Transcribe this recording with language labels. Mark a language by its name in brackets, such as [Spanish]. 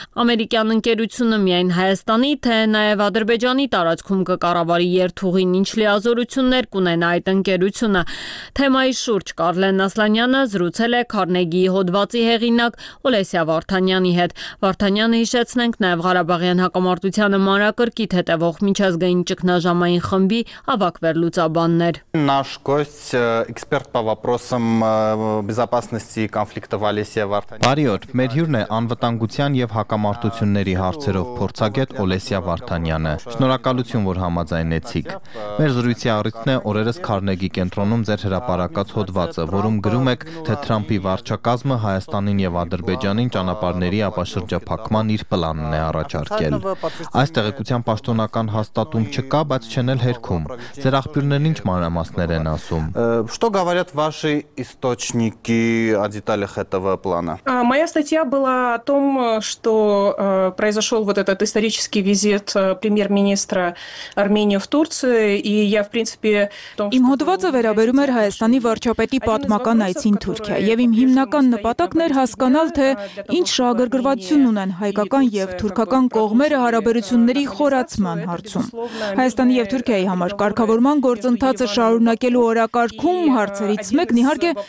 [Armenian] Ամերիկյան ընկերությունը միայն Հայաստանի, թե նաև Ադրբեջանի տարածքում կկառավարի երթուղին, ինչ լիազորություններ կունենա այդ ընկերությունը։ Թեմայի շուրջ Կարլեն Ասլանյանը զրուցել է Քարնեգիի հոդվացի հեղինակ Օլեսիա Վարդանյանի հետ։ Վարդանյանը, հիշեցնենք, նաև Ղարաբաղյան հակամարտությանը մանրակրկիտ հետևող միջազգային ճգնաժամային խմբի ավակ վերլուծաբանն էր։ [Russian] Наш гость, эксперт по вопросам безопасности и конфликтов Олеся Вартанян. [Armenian] Բարիօր, մեր հյուրն է անվտանգության եւ հակամարտությունների հարցերով փորձագետ Օլեսիա Վարդանյանը։ Շնորհակալություն, որ համաձայնեցիք։ Մեր զրույցի առիթն է օրերս Քարնեգի կենտրոնում ձեր հրապարակած հոդվածը, որում գրում եք, թե Թրամփի վարչակազմը Հայաստանին եւ Ադրբեջանին ճանապարհների ապաշրջափակման իր պլանն է առաջարկել։ Այս տեղեկության պաշտոնական հաստատում չկա, բայց չեն էլ հերքում։ Ձեր աղբյուրներն ինչ մանրամասներ են ասում։ [Russian] Что говорят ваши источники о деталях этого плана? Моя статья была о том, что произошел вот этот исторический визит премьер-министра Армении в Турцию, и я, в принципе, [Armenian] Им հոդվածը վերաբերում էր Հայաստանի վարչապետի պատմական այցին Թուրքիա, եւ իմ հիմնական նպատակն էր հասկանալ, թե ինչ շահագրգռվածություն ունեն հայկական եւ թուրքական կողմերը հարաբերությունների խորացման հարցում։ Հայաստանի եւ Թուրքիայի համար կարգավորման գործընթացը շարունակելու օրակարգում հարցերից մեկն իհարկե